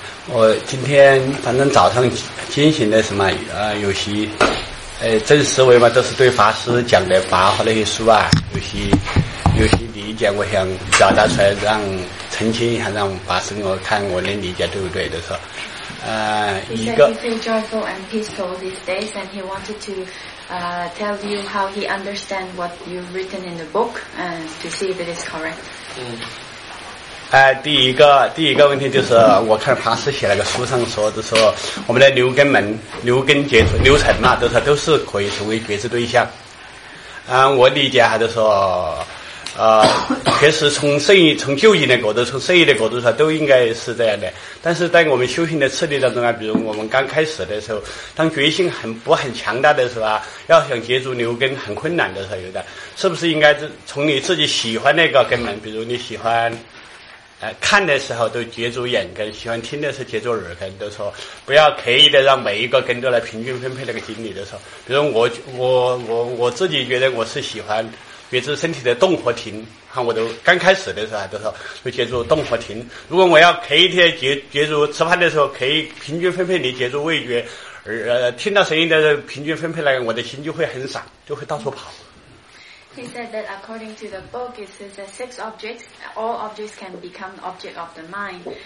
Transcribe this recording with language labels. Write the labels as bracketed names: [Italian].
[Chinese] 我今天反正早上进行的什么有些正思维嘛，都是对法师讲的法和那些书啊，有些理解，我想表达出来让澄清一下，让法师我看我能理解对不对，就是一个。 [English] He said he feels joyful and peaceful these days, and he wanted to tell you how he understand what you've written in the book, and to see if it is correct. [Chinese] 第一个问题就是，我看法师写那个书上说，就说我们的六根门、六根觉、六尘嘛，都是可以成为觉知对象。我理解还是说，确实从修行的角度，从圣意的角度上，都应该是这样的。但是在我们修行的次第当中啊，比如我们刚开始的时候，当决心很强大的时候啊，要想接触六根很困难的时候，有的是不是应该从你自己喜欢那个根门，比如你喜欢。看的时候都接触眼根，喜欢听的是接触耳根，都说不要刻意的让每一个根都来平均分配那个精力，都说比如我自己觉得我是喜欢觉知身体的动和停，看我都刚开始的时候都说就接触动和停，如果我要刻意的接触吃饭的时候可以平均分配你接触味觉，听到声音的时候平均分配那个，我的心就会很散，就会到处跑。 [English] He said that according to the book, it says that six objects, all objects can become object of the mind.